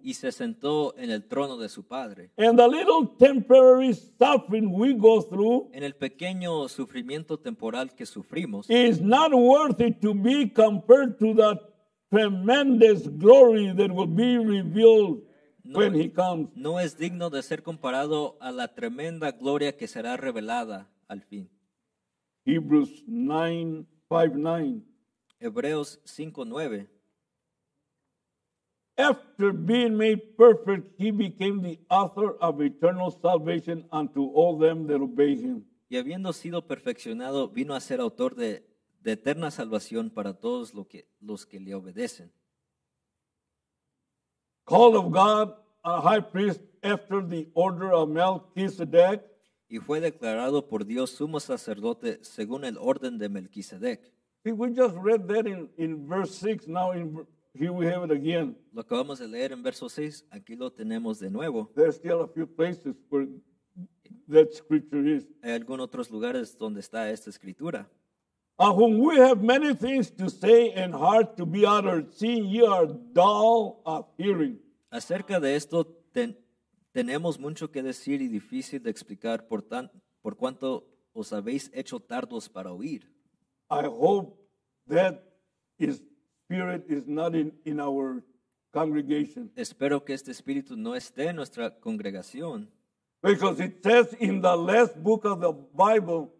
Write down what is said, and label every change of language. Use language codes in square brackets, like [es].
[es] Y se sentó en el trono de su padre. [en] And the little temporary suffering we go through, [es] en el pequeño sufrimiento temporal que sufrimos, [en] is not worthy to be compared to the tremendous glory that will be revealed. No, when he comes. [es] No es digno de ser comparado a la tremenda gloria que será revelada al fin. [en] Hebrews 9:5-9. [es] Hebreos 5:9. [en] After being made perfect, he became the author of eternal salvation unto all them that obey him. [es] Y habiendo sido perfeccionado, vino a ser autor de eterna salvación para todos los que le obedecen. [en] Call of God, a high priest after the order of Melchizedek. [es] Y fue declarado por Dios sumo sacerdote según el orden de Melquisedec. [en] See, we just read that in verse 6. Now in, here we have it again. [es] Lo acabamos de leer en verso 6. Aquí lo tenemos de nuevo. [en] There's still a few places where that scripture is. [es] Hay algunos otros lugares donde está esta escritura. [en] Of whom we have many things to say and hard to be uttered, seeing ye are dull of hearing. [es] Acerca de esto tenemos mucho que decir y difícil de explicar por cuanto os habéis hecho tardos para oír. [en] I hope that his spirit is not in our congregation. [es] Espero que este espíritu no esté en nuestra congregación. [en] Because it says in the last book of the Bible,